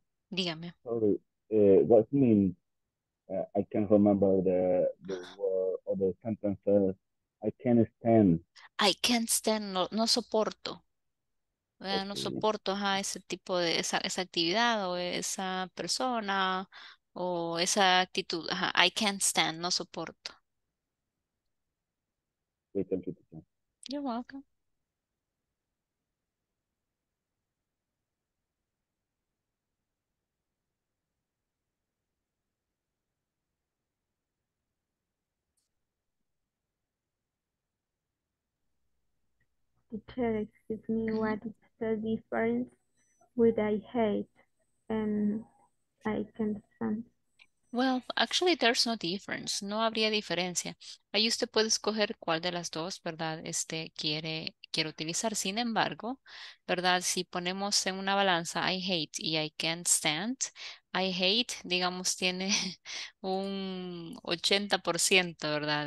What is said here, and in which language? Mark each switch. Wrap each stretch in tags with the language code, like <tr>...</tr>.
<es>Dígame.</es> <en>Sorry. What mean? I can't remember the word or the sentence. I can't stand. I can't stand.</en> <es>No soporto.</es> <en>Okay.</en> <es>No soporto a ese tipo de esa actividad o esa persona o esa actitud.</es> <en>Ajá. I can't stand.</en> <es>No soporto.</es> <en>Okay, thank you. You're welcome. Teacher, excuse me, what is the difference with I hate and I can't stand? Well, actually, there's no difference.</en> <es>No habría diferencia. Ahí usted puede escoger cuál de las dos, ¿verdad? Quiere utilizar. Sin embargo, ¿verdad? Si ponemos en una balanza I hate y</es> <en>I can't stand,</en> <es>I hate, digamos, tiene un 80%, ¿verdad?</es>